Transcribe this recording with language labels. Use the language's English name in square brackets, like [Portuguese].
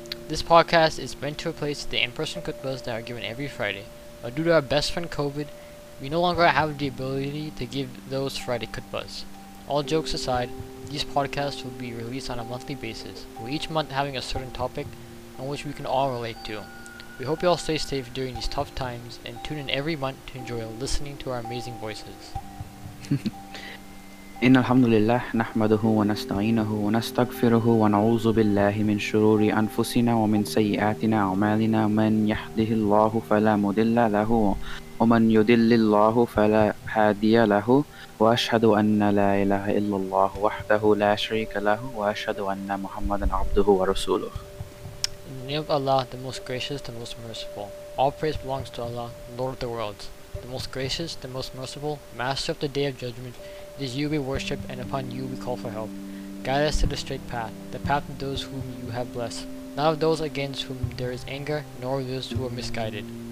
[English] This podcast is meant to replace the in-person kutbas that are given every Friday, but due to our best friend COVID, we no longer have the ability to give those Friday kutbas. All jokes aside, these podcasts will be released on a monthly basis, with each month having a certain topic on which we can all relate to. We hope you all stay safe during these tough times, and tune in every month to enjoy listening to our amazing voices. [Arabic] إن الحمد لله نحمده ونستعينه ونستغفره ونعوذ بالله من شرور أنفسنا ومن سيئات أعمالنا من يهده الله فلا مضل له ومن يضلل الله فلا هادي له وأشهد أن لا إله إلا الله وحده لا شريك له وأشهد أن محمدا عبده ورسوله. [English] In the name of Allah, the most gracious, the most merciful. All praise belongs to Allah, Lord of the worlds, the most gracious, the most merciful, Master of the Day of Judgment. It is you we worship, and upon you we call for help. Guide us to the straight path, the path of those whom you have blessed, not of those against whom there is anger, nor of those who are misguided.